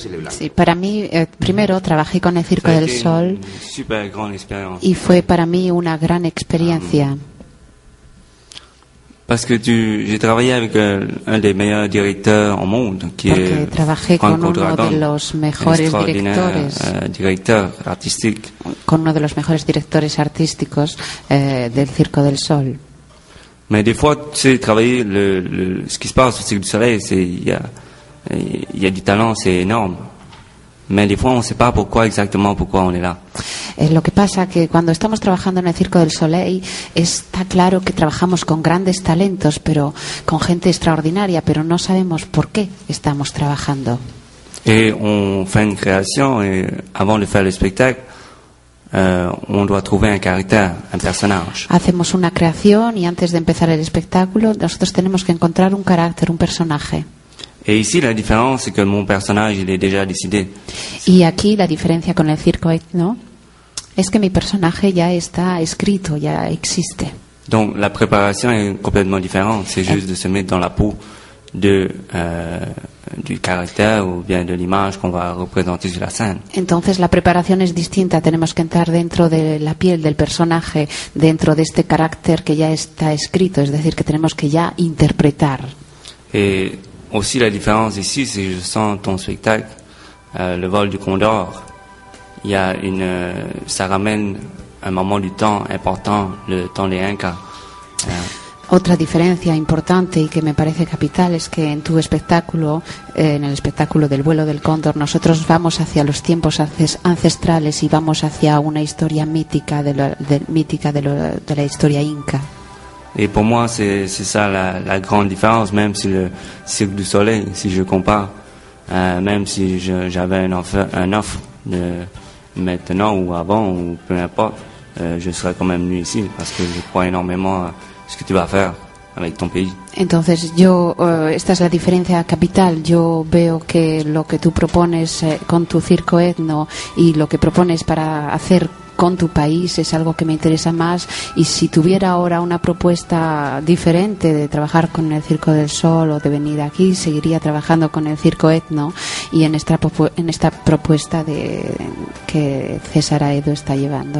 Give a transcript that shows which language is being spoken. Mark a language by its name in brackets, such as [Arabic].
[Spanish] Sí, para mí, primero trabajé con el Circo del Sol y fue para mí una gran experiencia. [French] Parce que tu, j'ai travaillé avec un des meilleurs directeurs au monde, qui [Spanish] Porque [French] est [Spanish] trabajé Franco Dragon, de los mejores directores, director artístico. Con uno de los mejores directores artísticos del Circo del Sol. [French] Mais des fois, tu sais, travailler le ce qui se passe au Cirque du Soleil, c'est il y a du talent, c'est énorme. Mais des fois, on ne sait pas pourquoi exactement pourquoi on est là. [Spanish] Lo que pasa que cuando estamos trabajando en el Circo del Soleil está claro que trabajamos con grandes talentos, pero con gente extraordinaria, pero no sabemos por qué estamos trabajando. [French] Et on fait une création et avant de faire le spectacle. On doit trouver un caractère, un personnage. [Spanish] Hacemos una creación y antes de empezar el espectáculo, nosotros tenemos que encontrar un carácter, un personaje. [French] Et ici, la différence, c'est que mon personnage, il est déjà décidé. [Spanish] Y aquí la diferencia con el circo etno es que mi personaje ya está escrito, ya existe. [French] Donc la préparation est complètement différente. C'est juste de se mettre dans la peau de du caractère ou bien de l'image qu'on va représenter sur la scène. [Spanish] Entonces la préparation est distinta, tenemos que entrar dentro de la piel del personaje, dentro de este carácter que ya está escrito, es decir, que tenemos que ya interpretar. [French] Et aussi la différence ici, c'est que je sens ton spectacle, le vol du Condor, il y a une, ça ramène un moment du temps important, le temps des Incas. [Spanish] Otra diferencia importante y que me parece capital es que en tu espectáculo, en el espectáculo del vuelo del cóndor, nosotros vamos hacia los tiempos ancestrales y vamos hacia una historia mítica de la historia inca. Y para mí es esa la gran diferencia, [French] même si le Cirque du Soleil, si je compare, même si j'avais un offre de maintenant ou avant ou peu importe, je serais quand même venu ici parce que je crois énormément à ce que tu vas faire avec ton pays. [Spanish] Entonces, yo, esta es la diferencia capital. Yo veo que lo que tú propones con tu circo etno y lo que propones para hacer con tu país es algo que me interesa más. Y si tuviera ahora una propuesta diferente de trabajar con el Circo del Sol o de venir aquí, seguiría trabajando con el circo etno y en esta propuesta de que César Aedo está llevando.